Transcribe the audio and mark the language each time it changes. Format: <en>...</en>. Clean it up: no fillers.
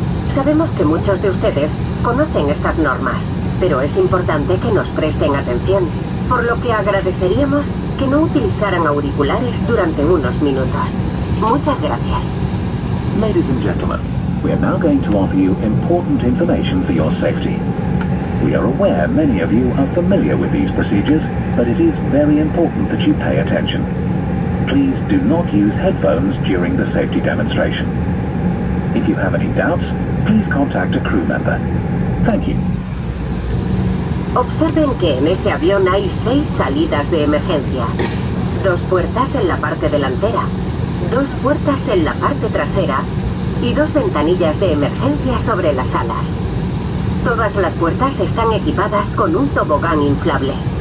<es>Sabemos que muchos de ustedes conocen estas normas, pero es importante que nos presten atención, por lo que agradeceríamos que no utilizaran auriculares durante unos minutos. Muchas gracias.</es> <en>Ladies and gentlemen, we are now going to offer you important information for your safety. We are aware many of you are familiar with these procedures, but it is very important that you pay attention. Please do not use headphones during the safety demonstration. If you have any doubts, please contact a crew member. Thank you.</en> <es>Observen que en este avión hay 6 salidas de emergencia. 2 puertas en la parte delantera, 2 puertas en la parte trasera y 2 ventanillas de emergencia sobre las alas. Todas las puertas están equipadas con un tobogán inflable.</es>